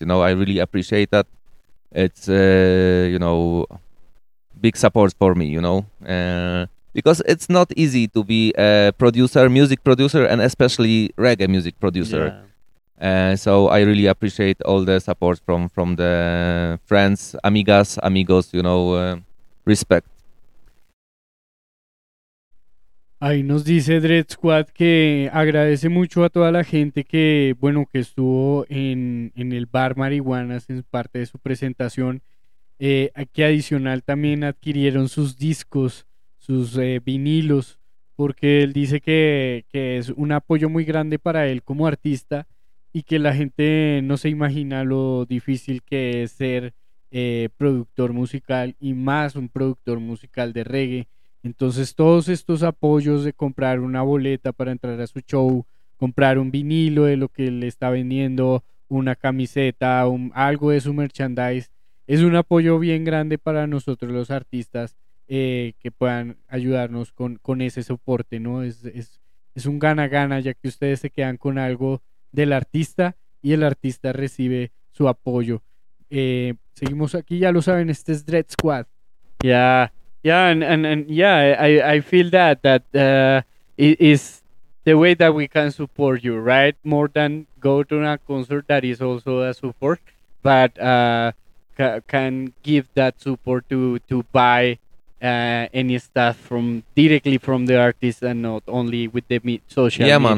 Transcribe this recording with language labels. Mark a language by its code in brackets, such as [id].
[en] You know, I really appreciate that. It's, you know, big support for me, you know. Because it's not easy to be a producer, music producer, and especially reggae music producer. Yeah. So I really appreciate all the support from the friends, [es] amigas, amigos, [en] you know, respect. [es] Ahí nos dice Dread Squad que agradece mucho a toda la gente que, bueno, que estuvo en el Bar Marihuana en parte de su presentación, que adicional también adquirieron sus discos, sus vinilos, porque él dice que es un apoyo muy grande para él como artista, y que la gente no se imagina lo difícil que es ser productor musical, y más un productor musical de reggae. Entonces todos estos apoyos de comprar una boleta para entrar a su show, comprar un vinilo de lo que le está vendiendo, una camiseta, algo de su merchandise, es un apoyo bien grande para nosotros los artistas, que puedan ayudarnos con ese soporte, ¿no? Es un gana-gana, ya que ustedes se quedan con algo del artista y el artista recibe su apoyo. Seguimos aquí, ya lo saben, este es Dread Squad. [en] I feel that is the way that we can support you, right? More than go to a concert, that is also a support, but can give that support to buy any stuff from directly from the artist and not only with the social media.